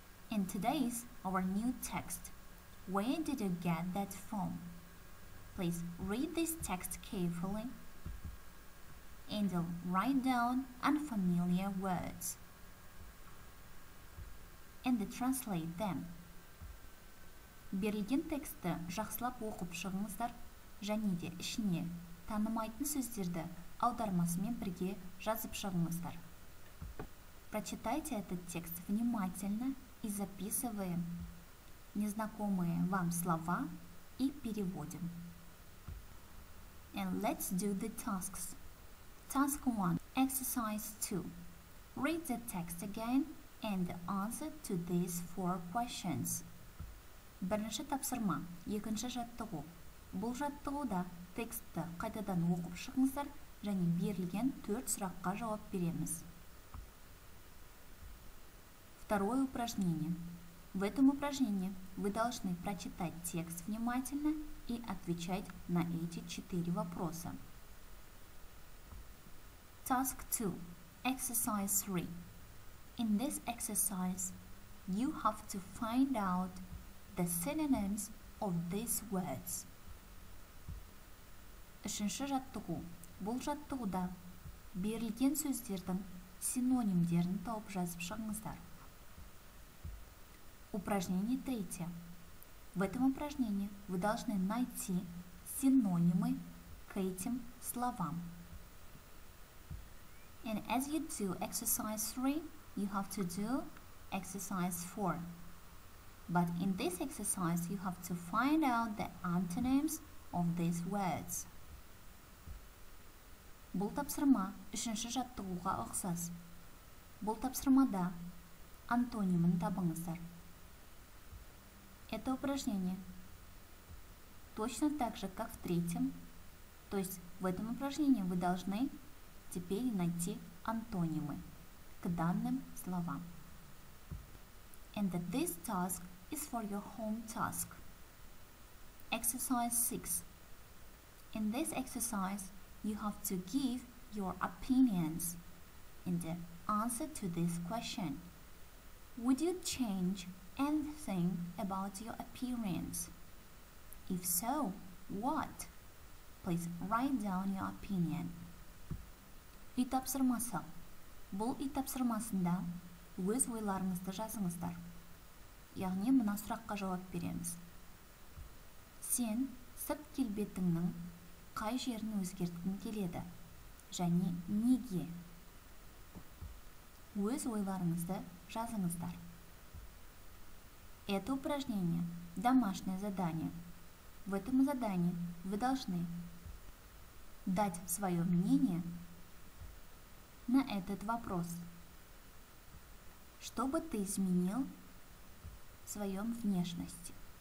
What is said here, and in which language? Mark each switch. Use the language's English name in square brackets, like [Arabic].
[English] In today's our new text, where did you get that from? Please read this text carefully and write down unfamiliar words and translate them. [Kazakh] Берілген тексті жақсылап оқып шығыңыздар және де ішіне танымайтын сөздерді аудармасымен бірге жазып шығыңыздар. [Russian] Прочитайте этот текст внимательно и записываем незнакомые вам слова и переводим. [English] And let's do the tasks. Task 1. Exercise 2. Read the text again and answer to these four questions. [Kazakh] Бірінші тапсырма. Екінші жаттығу. Бұл жаттығуда текстті қайтадан оқып шығыңыздар және берілген 4 сұраққа жауап береміз. [Russian] Второе упражнение. В этом упражнении вы должны прочитать текст внимательно и отвечать на эти четыре вопроса. [English] Task 2. Exercise 3. In this exercise, you have to find out the synonyms of these words. [Kazakh] Үшінші жаттығу. Бұл жаттығуда берілген сөздердің синонимдерін тауып жазып шығыңыздар. [Russian] Упражнение третье. В этом упражнении вы должны найти синонимы к этим словам. [English] And as you do exercise 3, you have to do exercise 4. But in this exercise, you have to find out the antonyms of these words. [Kazakh] Бұл тапсырма үшінші жаттығуға ұқсас. Бұл тапсырмада антонимін табыңыздар. [Russian] Это упражнение точно так же, как в третьем. То есть в этом упражнении вы должны теперь найти антонимы к данным словам. [English] And that this task is for your home task. Exercise 6. In this exercise, you have to give your opinions in the answer to this question. Would you change anything about your appearance? If so, what? Please write down your opinion. [Kazakh] И тапсырмасы. Бұл и тапсырмасында өз ойларыңызды жазыңыздар. Яғни мына сұраққа жауап береміз. Сен сырт келбетіңнің қай жерін өзгерткің келеді? Және неге? Өз ойларыңызды жазыңыздар. [Russian] Это упражнение – домашнее задание. В этом задании вы должны дать свое мнение на этот вопрос. Что бы ты изменил в своем внешности?